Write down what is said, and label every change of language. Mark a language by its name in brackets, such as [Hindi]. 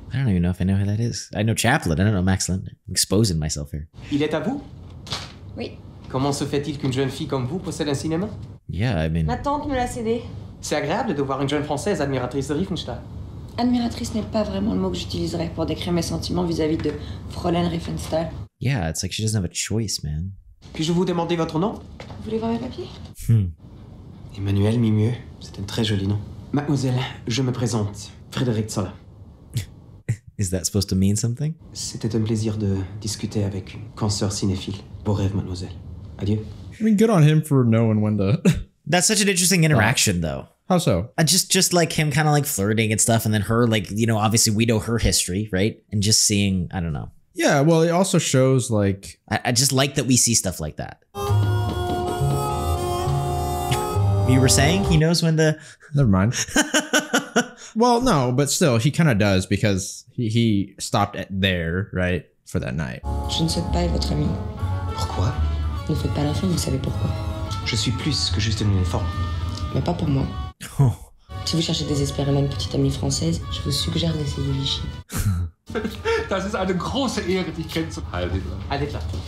[English] I don't even know if I know who that is. I know Chaplin. I don't know Max Linder. I'm exposing myself here. [French] Il est à vous? Oui. Comment se fait-il qu'une jeune fille comme vous possède un cinéma? [English] Yeah, I mean... [French] Ma tante me l'a cédé. C'est agréable de voir une jeune française admiratrice de Riefenstahl. Admiratrice n'est pas vraiment le mot que j'utiliserais pour décrire mes sentiments vis-à-vis de Fräulein Riefenstahl. [English] Yeah, it's like she doesn't have a choice, man. [French] Puis-je vous demander votre nom? Vous voulez voir mes papiers? Emmanuel Mimieux, c'est un très joli nom. Mademoiselle, je me présente. Frédéric Zola. [English] Is that supposed to mean something? [French] C'était un plaisir de discuter avec une consoeur cinéphile. Beau rêve, mademoiselle. Adieu. [English] I mean, good on him for knowing when to... That's such an interesting interaction, though. How so? Just like him kind of like flirting and stuff, and then her, like, you know, obviously we know her history, right? And just seeing, I don't know. Yeah, well, it also shows, like... I just like that we see stuff like that. You were saying he knows when to... Never mind. Well, no, but still, he kind of does because he stopped at there, right, for that night. [French] Je ne souhaite pas votre ami. Pourquoi? Ne faites pas la fin, vous savez pourquoi. Je suis plus que juste une uniforme. Mais pas pour moi. Oh. Si vous cherchez désespérément une petite amie française, je vous suggère d'essayer Vichy. [German] Das ist eine große Ehre, dich kennenzulernen. [French] Allez, là.